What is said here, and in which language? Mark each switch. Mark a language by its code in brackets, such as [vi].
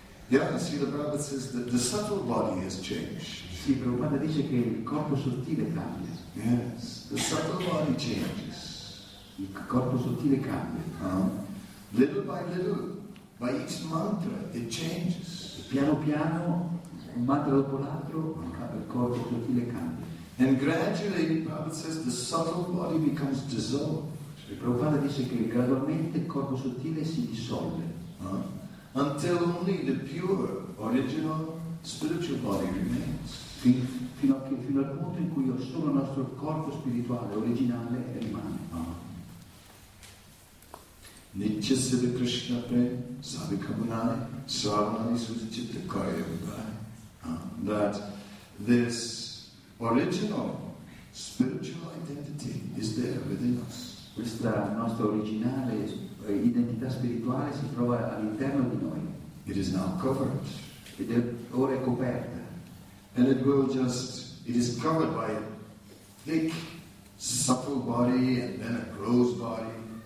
[en] Yeah, see, the Prabhupada says that the subtle body has changed. [it] Sì, Prabhupada dice che il corpo sottile cambia. [en] Yes, the subtle body changes. [it] Il corpo sottile cambia. [en] Little by little, by each mantra, it changes. [it] E piano piano, un mantra dopo l'altro, il corpo sottile cambia. [en] And gradually, Prabhupada says, the subtle body becomes dissolved. [it] E Prabhupada dice che gradualmente il corpo sottile si dissolve. [en] Until only the pure, original, spiritual body remains. [it] Fino al punto in cui solo il nostro corpo spirituale originale rimane. Nitya Siddha Krishna Pre, Savika Bunai, Sarvani Sudhichitta Kaya Bunai. [en] That this original, spiritual identity is there within us. [it] Questa nostra originale identità spirituale si trova all'interno di noi. [en] It is now covered. [it] Ed ora è coperta. [en] And it will just, it is covered by a thick, subtle body and then a gross body.